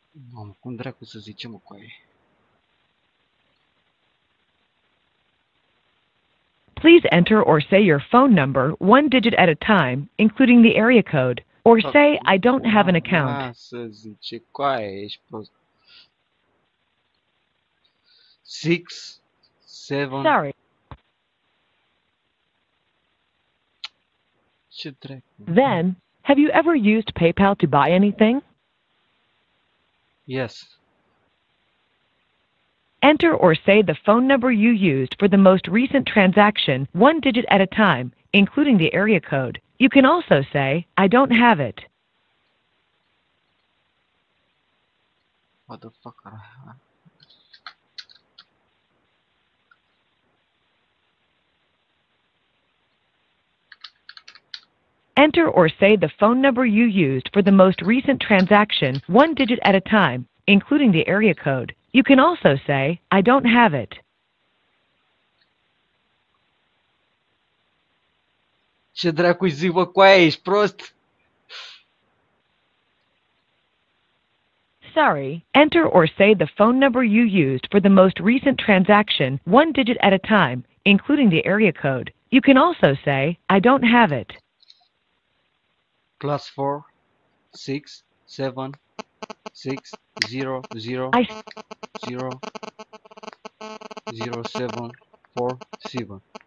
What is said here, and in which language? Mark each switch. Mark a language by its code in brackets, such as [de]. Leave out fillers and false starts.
[ro] Mamă, cum dracu să zicem cu ei? [en] Please enter or say your phone number one digit at a time, including the area code, or say, I don't have an account. [ro] Să zice, coaie, ești prost. [en] 6, 7... Sorry. [ro] Ce trec? [en] Then, have you ever used PayPal to buy anything? Yes. Enter or say the phone number you used for the most recent transaction, one digit at a time, including the area code. You can also say, I don't have it. What the fuck are I? Enter or say the phone number you used for the most recent transaction, one digit at a time, including the area code. You can also say, I don't have it. [ro] Ce dracu-i zic, bă, cu aia, ești prost? [en] Sorry, enter or say the phone number you used for the most recent transaction, one digit at a time, including the area code. You can also say, I don't have it. Class 4, 6, 7, 6, 0, 0, 0, 0, 7, 4, 7.